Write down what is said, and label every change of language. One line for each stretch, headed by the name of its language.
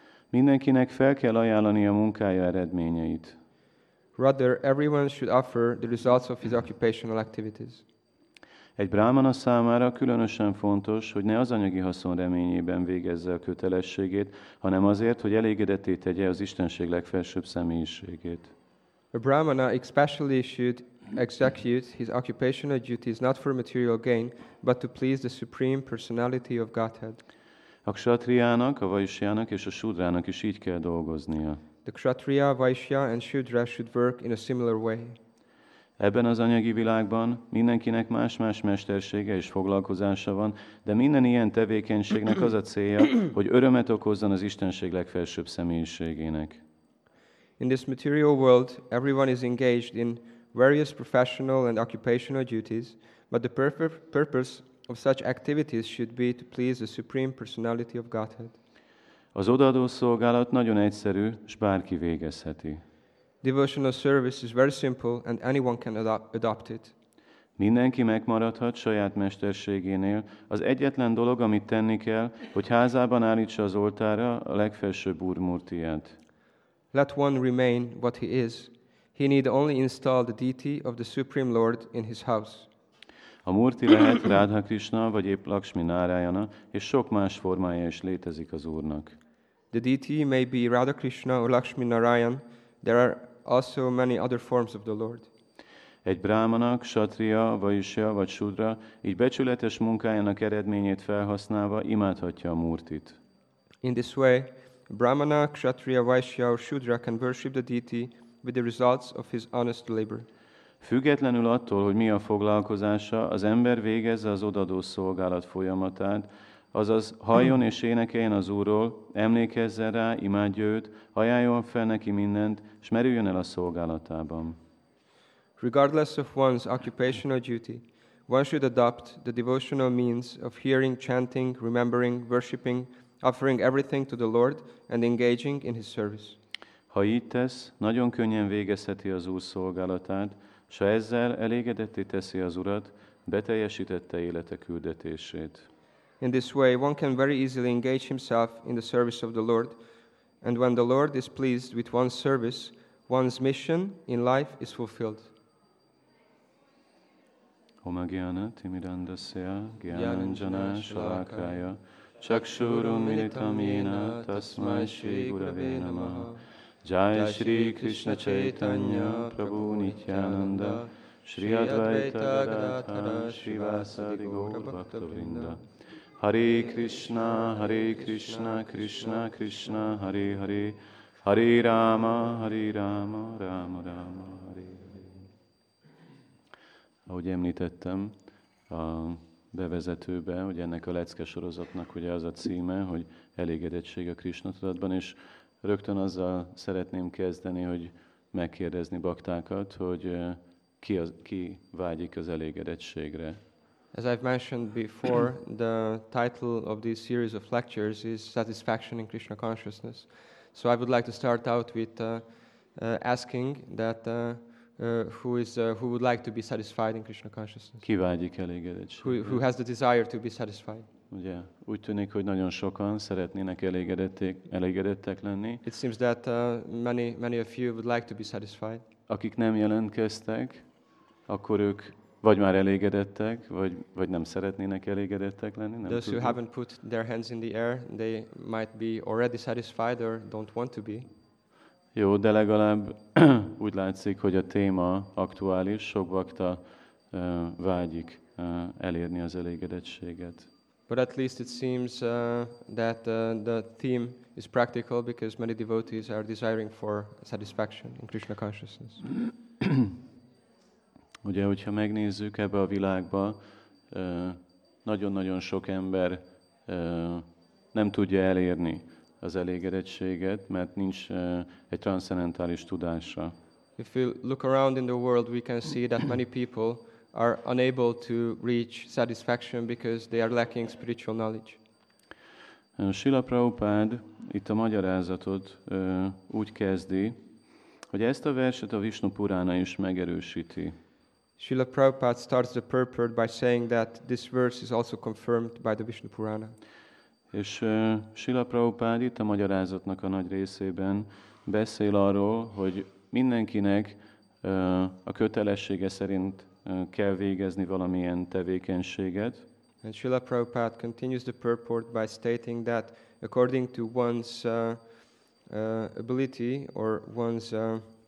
Hungarian: Mindenkinek fel kell ajánlani a munkája eredményeit.
English: Rather, everyone should offer the results of his occupational activities.
Hungarian: Egy brámana számára különösen fontos, hogy ne az anyagi haszon reményében végezze a kötelességét, hanem azért, hogy elégedetté tegye az Istenség legfelsőbb személyiségét.
English: A Brahmana especially should execute his occupational duties not for material gain, but to please the supreme personality of Godhead.
Hungarian: A kshatriyának, a vaishyának és a shudrának is így kell dolgoznia.
English: The kshatriya, vaishya and shudra should work in a similar way.
Hungarian: Ebben az anyagi világban mindenkinek más-más mestersége és foglalkozása van, de minden ilyen tevékenységnek az a célja, hogy örömet okozzon az Istenség legfelsőbb személyiségének.
English: In this material world, everyone is engaged in various professional and occupational duties, but the purpose of such activities should be to please the supreme personality of Godhead.
Hungarian: Az odaadó szolgálat nagyon egyszerű, s bárki végezheti.
English: Devotional service is very simple and anyone can adopt it.
Hungarian: Mindenki megmaradhat saját mesterségénél, az egyetlen dolog, amit tenni kell, hogy házában állítsa az oltára a legfelsőbb úrmurtiját.
English: Let one remain what he is. He need only install the deity of the Supreme Lord in his house.
Hungarian: A murti lehet Radha Krishna vagy épp Lakshmi Narayana, és sok más formája is létezik az úrnak.
English: The deity may be Radha Krishna or Lakshmi Narayan. There are also many other forms of the Lord.
Hungarian: Egy brahmana, kshatriya, vaishya vagy shudra így becsületes munkájának eredményét felhasználva imádhatja a murtit.
English: In this way, brahmana, kshatriya, vaishya or shudra can worship the deity with the results of his honest labor.
Hungarian: Függetlenül attól, hogy mi a foglalkozása, az ember végezze az odaadó szolgálat folyamatát, azaz halljon és énekeljen az Úrról, emlékezzen rá, imádja őt, ajánljon fel neki mindent, s merüljön el a szolgálatában.
English: Regardless of one's occupational duty, one should adopt the devotional means of hearing, chanting, remembering, worshipping, offering everything to the Lord and engaging in his service.
Hungarian: Ha így tesz, nagyon könnyen végezheti az Úr szolgálatát, s ha ezzel elégedetté teszi az Urat, beteljesítette élete küldetését.
English: In this way, one can very easily engage himself in the service of the Lord, and when the Lord is pleased with one's service, one's mission in life is fulfilled.
Sanskrit: Oma Gyana Timirandasya Gyananjana Shalakaya Chakshurum Militam Yena Tasmai Shri Gurave Namaha Jaya Shri Krishna Chaitanya Prabhu Nityananda Shri Advaita Gadadhara Srivasadi Gaura Bhaktavrinda Hare Krishna, Hare Krishna, Krishna Krishna, Hare Hare, Hare Rama, Hare Rama, Rama Rama, Hare Hare.
Hungarian: Ahogy említettem a bevezetőbe, hogy ennek a lecke sorozatnak ugye az a címe, hogy elégedettség a Krishna tudatban, és rögtön azzal szeretném kezdeni, hogy megkérdezni baktákat, hogy ki vágyik az elégedettségre.
English: As I've mentioned before, the title of this series of lectures is Satisfaction in Krishna Consciousness. So I would like to start out with asking that who would like to be satisfied in Krishna Consciousness?
Hungarian: Ki vágyik elégedettségre?
English: Who has the desire to be satisfied?
Hungarian: Ugye, úgy tűnik, hogy nagyon sokan szeretnének elégedettek lenni.
English: It seems that many of you would like to be satisfied.
Hungarian: Akik nem jelentkeztek, akkor ők vagy már elégedettek, vagy nem szeretnének elégedettek lenni. Nem
English: those
Hungarian: tudjuk.
English: Who haven't put their hands in the air, they might be already satisfied or don't want to be.
Hungarian: Jó, de legalább úgy látszik, hogy a téma aktuális, sok bakta vágyik elérni az elégedettséget.
English: But at least it seems that the theme is practical because many devotees are desiring for satisfaction in Krishna consciousness.
Hungarian: Ugye, hogyha megnézzük ebbe a világba, nagyon-nagyon sok ember nem tudja elérni az elégedettséget, mert nincs egy transzcendentális tudása.
English: If we look around in the world, we can see that many people are unable to reach satisfaction because they are lacking spiritual knowledge.
Hungarian: Srila Prabhupada itt a magyarázatot úgy kezdi, hogy ezt a verset a Vishnu Purana is megerősíti.
English: Srila Prabhupada starts the purport by saying that this verse is also confirmed by the Vishnu Purana.
Hungarian: És Srila Prabhupada itt a magyarázatnak a nagy részében beszél arról, hogy mindenkinek a kötelessége szerint kell végezni valamilyen tevékenységet.
English: And Srila Prabhupada continues the purport by stating that according to one's ability or one's